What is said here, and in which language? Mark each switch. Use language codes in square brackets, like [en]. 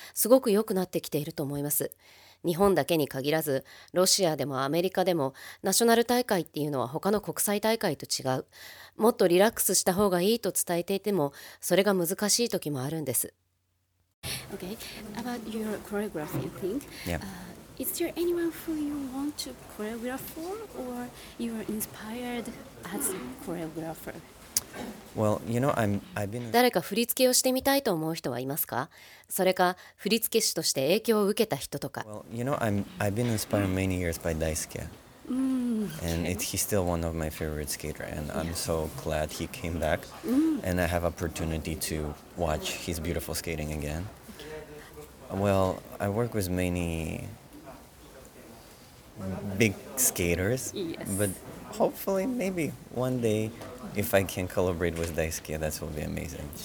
[ja] すごく良くなってきていると思います。日本だけに限らず、ロシアでもアメリカでも、ナショナル大会っていうのは他の国際大会と違う。もっとリラックスした方がいいと伝えていても、それが難しい時もあるんです。 [en] Okay, about your choreography, I think. Yeah. Is there anyone who you want to choreograph for, or you are inspired as a choreographer? Well, you know, I've been... [ja] 誰か振り付けをしてみたいと思う人はいますか?それか振り付け師として影響を受けた人とか。 [en] Well, you know, I've been inspired many years by Daisuke. And he's still one of my favorite skaters, and I'm so glad he came back. And I have opportunity to watch his beautiful skating again. Well, I work with many big skaters, but hopefully, maybe one day, if I can collaborate with Daisuke, that would be amazing.